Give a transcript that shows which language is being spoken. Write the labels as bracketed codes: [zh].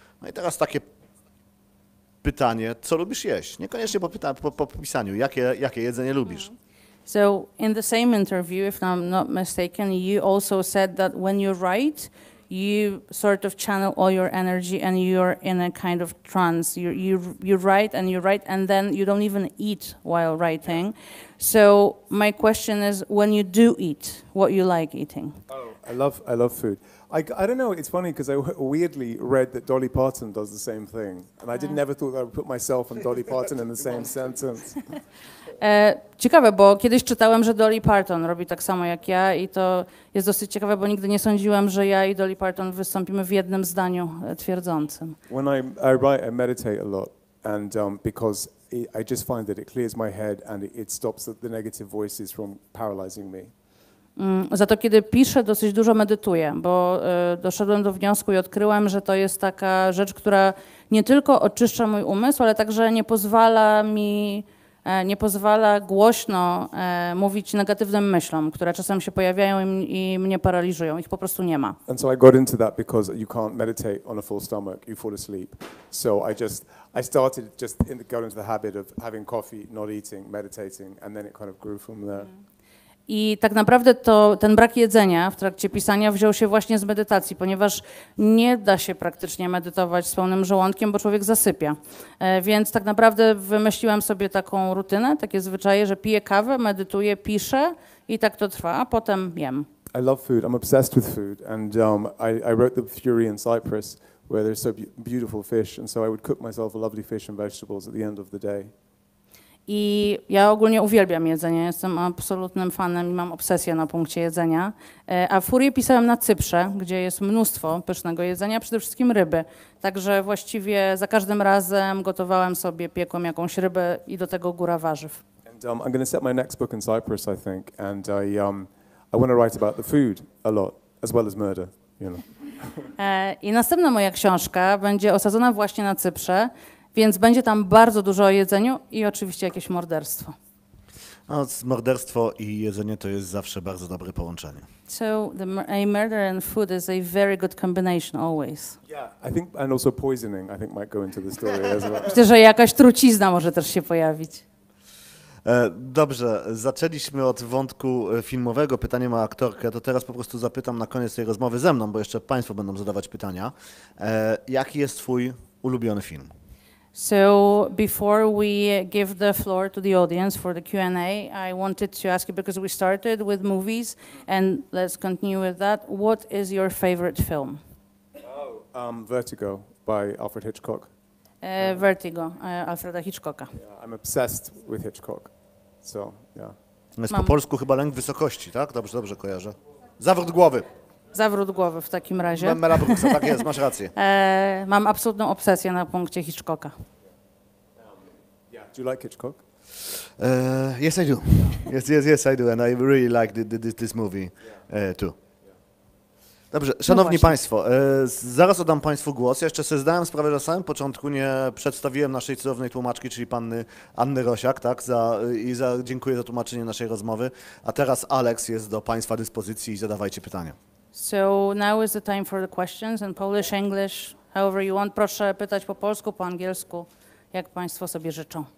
[pl] No i teraz takie pytanie, co lubisz jeść? Niekoniecznie po pisaniu, jakie jedzenie lubisz? [en] So in the same interview, if I'm not mistaken, you also said that when you write, you sort of channel all your energy and you're in a kind of trance. You write and then you don't even eat while writing. So my question is, when you do eat, what you like eating? Oh, I love food. I don't know, it's funny because I weirdly read that Dolly Parton does the same thing. And I never thought that I would put myself and Dolly Parton in the same sentence. [pl] Ciekawe, bo kiedyś czytałem, że Dolly Parton robi tak samo jak ja i to jest dosyć ciekawe, bo nigdy nie sądziłem, że ja i Dolly Parton wystąpimy w jednym zdaniu twierdzącym. [en] When I write, I meditate a lot and because I just find that it clears my head and it stops the negative voices from paralyzing me. [pl] Za to, kiedy piszę, dosyć dużo medytuję, bo doszedłem do wniosku i odkryłem, że to jest taka rzecz, która nie tylko oczyszcza mój umysł, ale także nie pozwala mi, nie pozwala głośno mówić negatywnym myślom, które czasem się pojawiają i mnie paraliżują. Ich po prostu nie ma. [en] And so I got into that because you can't meditate on a full stomach, you fall asleep. So I started to go into the habit of having coffee, not eating, meditating, and then it kind of grew from there. [pl] I tak naprawdę to ten brak jedzenia w trakcie pisania wziął się właśnie z medytacji, ponieważ nie da się praktycznie medytować z pełnym żołądkiem, bo człowiek zasypia. Więc tak naprawdę wymyśliłem sobie taką rutynę, takie zwyczaje, że piję kawę, medytuję, piszę i tak to trwa, a potem jem. [en] I love food. I'm obsessed with food. And I wrote The Fury in Cyprus, where there's so beautiful fish. And so I would cook myself a lovely fish and vegetables at the end of the day. [pl] I ja ogólnie uwielbiam jedzenie, jestem absolutnym fanem i mam obsesję na punkcie jedzenia. A Furię pisałem na Cyprze, gdzie jest mnóstwo pysznego jedzenia, przede wszystkim ryby. Także właściwie za każdym razem gotowałem sobie, piekłem jakąś rybę i do tego góra warzyw. [en] And, I'm going to set my next book in Cyprus, I think, and I want to write about the food a lot, as well as murder, you know. [pl] I następna moja książka będzie osadzona właśnie na Cyprze. Więc będzie tam bardzo dużo o jedzeniu i oczywiście jakieś morderstwo. No, morderstwo i jedzenie to jest zawsze bardzo dobre połączenie. [en] So a murder and food is a very good combination always. Yeah, I think and also poisoning I think might go into the story as well. [pl] Myślę, że jakaś trucizna może też się pojawić. Dobrze, zaczęliśmy od wątku filmowego, pytanie ma aktorkę, to teraz po prostu zapytam na koniec tej rozmowy ze mną, bo jeszcze Państwo będą zadawać pytania. Jaki jest Twój ulubiony film? [en] So before we give the floor to the audience for the Q&A, I wanted to ask you, because we started with movies, and let's continue with that. What is your favorite film? Oh, Vertigo by Alfred Hitchcock. [pl] Vertigo, Alfreda Hitchcocka. [en] Yeah, I'm obsessed with Hitchcock, so yeah. [pl] Jest po polsku chyba Lęk Wysokości, tak? Dobrze kojarzę. Zawrót głowy. Zawrót głowy w takim razie. Mela Brooksa, tak jest, masz rację. Mam absolutną obsesję na punkcie Hitchcocka. [en] Yeah. Do you like Hitchcock? Yes, I do. Yes, I do. And I really like this movie too. Yeah. [pl] Dobrze, szanowni państwo, zaraz oddam państwu głos. Ja jeszcze sobie zdałem sprawę, że na samym początku nie przedstawiłem naszej cudownej tłumaczki, czyli panny Anny Rosiak, tak? Dziękuję za tłumaczenie naszej rozmowy. A teraz Alex jest do państwa dyspozycji i zadawajcie pytania. [en] So now is the time for the questions in Polish, English, however you want. [pl] Proszę pytać po polsku, po angielsku, jak państwo sobie życzą.